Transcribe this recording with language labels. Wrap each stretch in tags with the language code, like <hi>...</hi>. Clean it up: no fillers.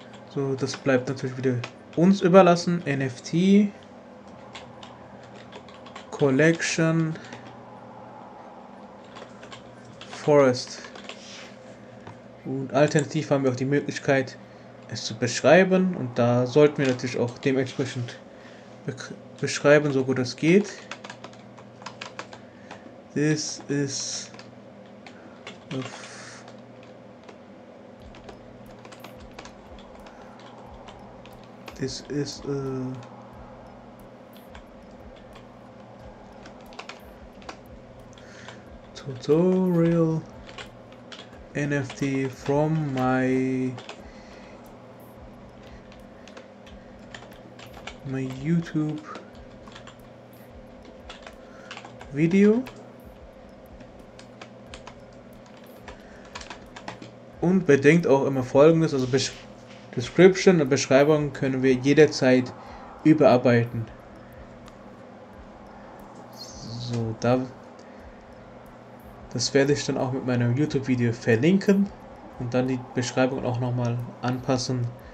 <de>So, das bleibt natürlich wieder uns überlassen. NFT Collection Forest. Und alternativ haben wir auch die Möglichkeit, es zu beschreiben, und da sollten wir natürlich auch dementsprechend beschreiben, so gut es geht.</de> <en>This is a tutorial NFT from my YouTube video.</en> <de>Und bedenkt auch immer Folgendes, also Description und Beschreibung können wir jederzeit überarbeiten. So, das werde ich dann auch mit meinem YouTube Video verlinken und dann die Beschreibung auch nochmal anpassen.</de>